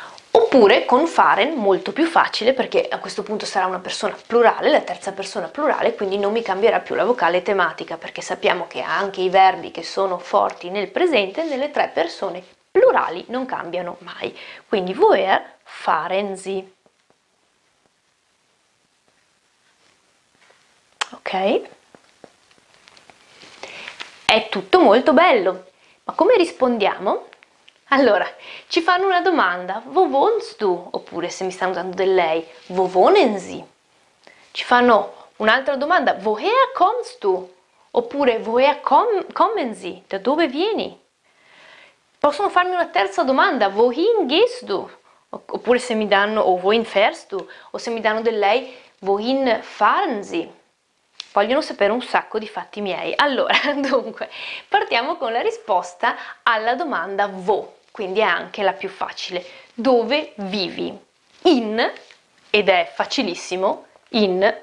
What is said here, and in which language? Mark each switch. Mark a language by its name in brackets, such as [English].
[Italian] Oppure con fahren, molto più facile, perché a questo punto sarà una persona plurale, la terza persona plurale, quindi non mi cambierà più la vocale tematica, perché sappiamo che anche i verbi che sono forti nel presente, nelle tre persone plurali, non cambiano mai. Quindi [German] woher fahren Sie? [English] Ok? [Italian] È tutto molto bello, ma come rispondiamo? Allora, ci fanno una domanda, [German] wo wohnst du? [Italian] Oppure se mi stanno usando del lei, [German] wo wohnen Sie? [Italian] Ci fanno un'altra domanda, [German] woher kommst du? [Italian] Oppure [German] woher kommen Sie? [Italian] Da dove vieni? Possono farmi una terza domanda, [German] wohin gehst du? [Italian] Oppure se mi danno, o [German] wohin fährst du? [Italian] O se mi danno del lei, [German] wohin fahren Sie? [Italian] Vogliono sapere un sacco di fatti miei. Allora, dunque, partiamo con la risposta alla domanda wo. Quindi è anche la più facile. Dove vivi? In, ed è facilissimo, in.